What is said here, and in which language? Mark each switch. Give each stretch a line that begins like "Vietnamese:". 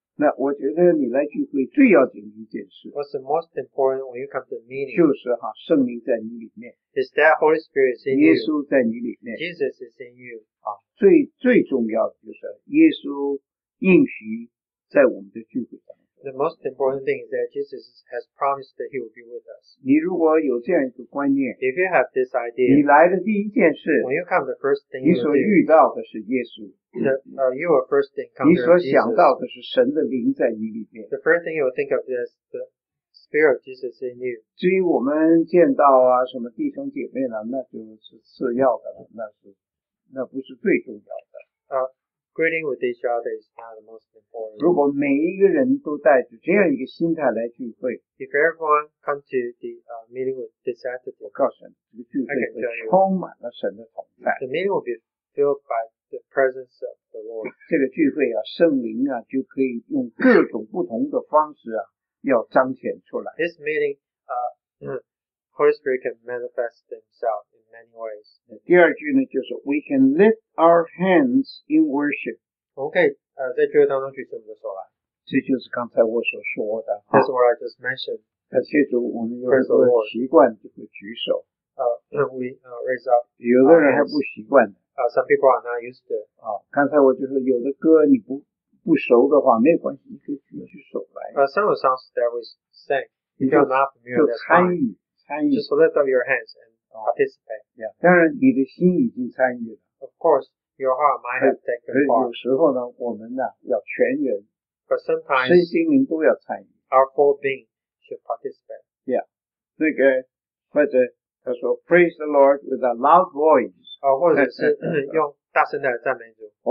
Chinese: 那我觉得你来聚会最要紧的一件事。
English: What's the most important when you come to the meeting?
Chinese: 就是哈圣灵在你里面。
English: Is that Holy Spirit in you?
Chinese: 耶稣在你里面。
English: Jesus is in you.
Chinese: 最重要的就是耶稣应许在我们的聚会当中。
English: The most important thing is that Jesus has promised that he will be with us.
Chinese: 你如果有这样一个观念
English: If you have this idea,
Chinese: 你来的第一件事
English: When you come the first thing
Chinese: 你所遇到的是耶稣
English: You will first encounter Jesus.
Chinese: 你所想到的是神的灵在你里面。
English: The first thing you will think of is the Spirit of Jesus in you.
Chinese: 至于我们见到啊什么弟兄姐妹呢那就是次要的了那不是最重要的。
English: Greeting with each other is not the most important.
Chinese: 如果每一个人都带着这样一个心态来聚会。
English: If everyone comes to the meeting with this attitude.
Chinese: 我告诉你这个聚会会充满了神的同在。
English: The meeting will be filled by the presence of the Lord.
Chinese: 这个聚会啊圣灵啊就可以用各种不同的方式啊要彰显出来。
English: This meeting, Holy Spirit can manifest himself in many ways.
Chinese: 第二句呢就是
English: we can lift our hands in worship.
Chinese: Okay, 在这个当中举什么的手来。这就是刚才我所说的。
English: That's what I just mentioned.
Chinese: 感谢主我们有很多习惯就会举手。
English: We raise up.
Chinese: 有的人还不习惯。
English: Some people are not used to.
Chinese: 刚才我就说有的歌你不熟的话没关系你可以举起手来。
English: Some of the songs that we sang, if you're not familiar, that's fine.
Chinese: 就参与。
English: Just lift up your hands and participate. Yeah.
Chinese: 当然你的心已经参与了。
English: Of course, your heart might have taken part.
Chinese: 有时候呢我们呢要全人。
English: But sometimes,
Chinese: 身心灵都要参与。
English: Our whole being should participate. Yeah.
Chinese: 那个或者他说
English: praise the Lord with a loud voice.
Chinese: 或者是用大声的赞美主。